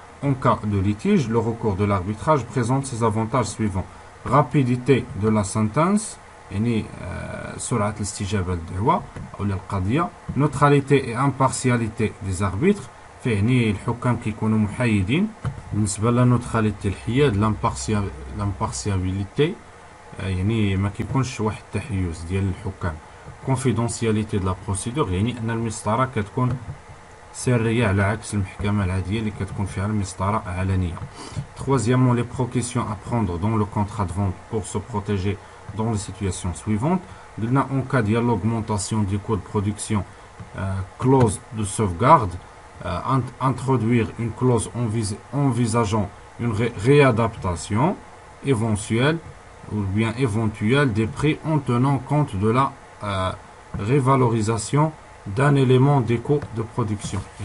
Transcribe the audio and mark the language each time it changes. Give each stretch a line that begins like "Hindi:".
French: En cas de litige, le recours de l'arbitrage présente ses avantages suivants. Rapidité de la sentence,
Arabic: يعني سرعة الاستجابة للدعوة أو للقضية.
French: Neutralité et impartialité des arbitres,
Arabic: فيعني الحكام كيكونوا محايدين. بالنسبة للneutralité الحياد, l'impartialité, يعني ما كيكونش واحد التحيز ديال الحكام.
French: Confidentialité de la procédure,
Arabic: يعني أن المسطرة كتكون سرية على عكس المحكمة العادية اللي كتكون فيها المسطرة علنية.
French: Troisièmement, les précautions à prendre dans le contrat de vente pour se protéger dans les situations suivantes. Là, en cas d'augmentation du coût de production, clause de sauvegarde, introduire une clause envisageant une réadaptation éventuelle ou bien éventuelle des prix en tenant compte de la révalorisation d'un élément des coûts de production.